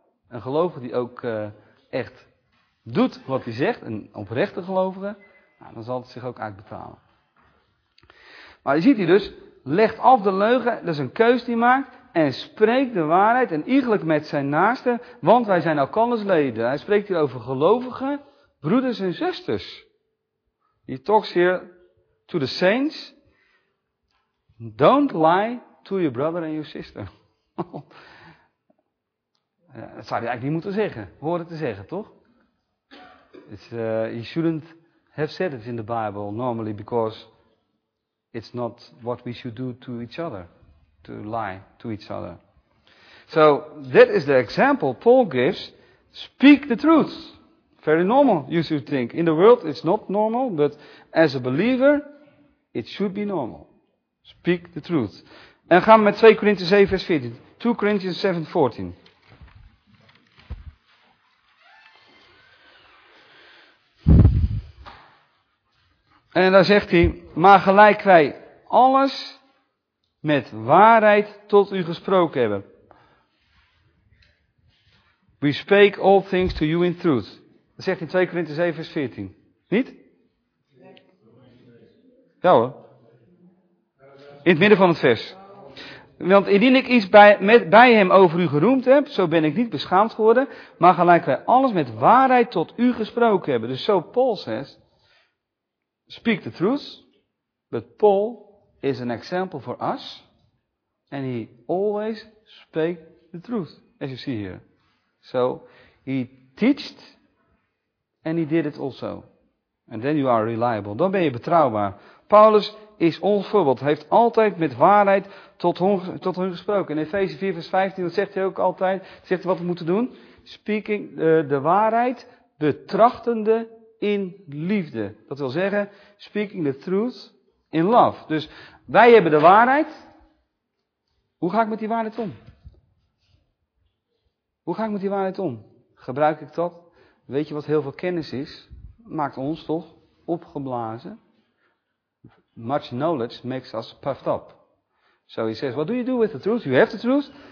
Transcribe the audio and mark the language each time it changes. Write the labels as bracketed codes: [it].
[nl] Een gelovige die ook echt doet wat hij zegt, een oprechte gelovige, nou, dan zal het zich ook uitbetalen. Maar je ziet hier dus, legt af de leugen, dat is een keus die hij maakt, en spreekt de waarheid, en eigenlijk met zijn naaste, want wij zijn elkanders leden. Hij spreekt hier over gelovigen, broeders en zusters. [en] He talks here to the saints, don't lie to your brother and your sister. [nl] Dat zou je eigenlijk niet moeten zeggen, horen te zeggen, toch? [en] You shouldn't have said it in the Bible normally, because it's not what we should do to each other, to lie to each other. So that is the example Paul gives. Speak the truth. Very normal, you should think. In the world it's not normal, but as a believer it should be normal. Speak the truth. [nl] En gaan we met 2 Korintiërs 7 vers 14. 2 Korintiërs 7 vers 14. En dan zegt hij, maar gelijk wij alles met waarheid tot u gesproken hebben. [en] We speak all things to you in truth. [nl] Dat zegt hij in 2 Korintiërs 7 vers 14. Niet? Ja hoor. In het midden van het vers. Want indien ik iets bij hem over u geroemd heb, zo ben ik niet beschaamd geworden, maar gelijk wij alles met waarheid tot u gesproken hebben. Dus zo Paul zegt, [en] speak the truth, but Paul is an example for us, and he always speak the truth, as you see here. So, he teached, and he did it also. And then you are reliable, [nl] dan ben je betrouwbaar. Paulus is ons voorbeeld, heeft altijd met waarheid tot hun gesproken. In Efeze 4 vers 15, dat zegt hij ook altijd, zegt hij wat we moeten doen. Speaking de waarheid, betrachtende in liefde. Dat wil zeggen, [en] speaking the truth in love. [nl] Dus wij hebben de waarheid. Hoe ga ik met die waarheid om? Hoe ga ik met die waarheid om? Gebruik ik dat? Weet je wat heel veel kennis is? Maakt ons toch opgeblazen? [en] Much knowledge makes us puffed up. So he says, what do you do with the truth? You have the truth?